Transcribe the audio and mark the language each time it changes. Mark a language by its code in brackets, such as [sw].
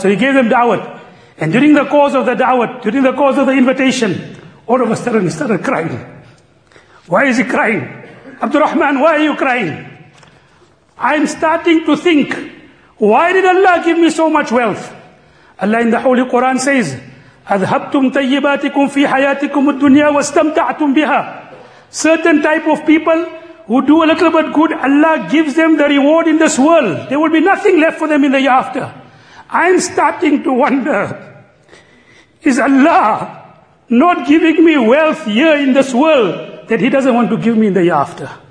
[en] So he gave them da'wat. And during the course of the da'wat, during the course of the invitation, all of a sudden, he started crying. Why is he crying? Abdurrahman, why are you crying? I'm starting to think, why did Allah give me so much wealth? Allah in the Holy Quran says, [ar] أَذْهَبْتُمْ تَيِّبَاتِكُمْ فِي حَيَاتِكُمُ الدُّنْيَا وَاسْتَمْتَعْتُمْ بِهَا. [en] Certain type of people who do a little bit good, Allah gives them the reward in this world. There will be nothing left for them in the year after. I'm starting to wonder, is Allah not giving me wealth here in this world that he doesn't want to give me in the year after?